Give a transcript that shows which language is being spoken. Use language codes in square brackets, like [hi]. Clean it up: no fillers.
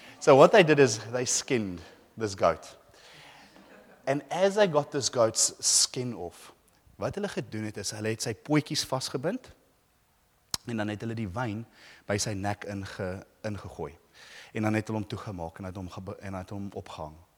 [en] So what they did is they skinned this goat. And as they got this goat's skin off, [af] wat hulle gedoen het is hulle het sy pootjies vasgebind. En dan het hulle die wyn by sy nek ingegooi. En dan het hulle hom toegemaak en het hom opgehang.